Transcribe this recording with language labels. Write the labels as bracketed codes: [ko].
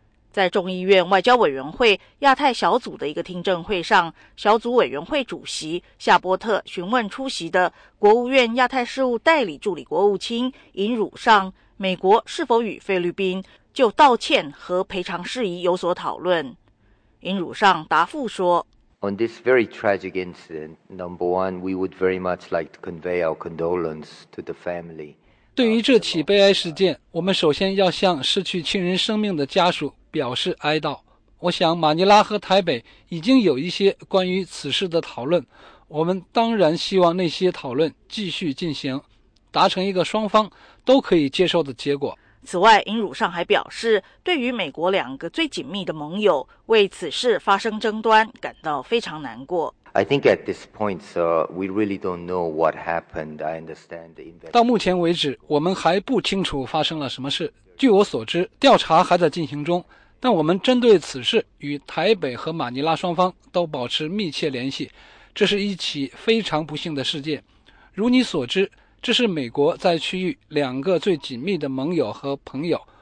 [zh] 在众议院外交委员会亚太小组的一个听证会上，小组委员会主席夏波特询问出席的国务院亚太事务代理助理国务卿尹汝上，美国是否与菲律宾就道歉和赔偿事宜有所讨论。尹汝上答复说， [en] On this very tragic incident, number one, we would very much like to convey our condolence to the family. [zh] 对于这起悲哀事件，我们首先要向失去亲人生命的家属表示哀悼。我想马尼拉和台北已经有一些关于此事的讨论，我们当然希望那些讨论继续进行，达成一个双方都可以接受的结果。此外，尹汝上还表示，对于美国两个最紧密的盟友为此事发生争端感到非常难过。 [en] I think at this point, we really don't know what happened. I understand the investigation. [zh] 到目前为止，我们还不清楚发生了什么事。据我所知，调查还在进行中。但我们针对此事与台北和马尼拉双方都保持密切联系。这是一起非常不幸的事件。如你所知，这是美国在区域两个最紧密的盟友和朋友。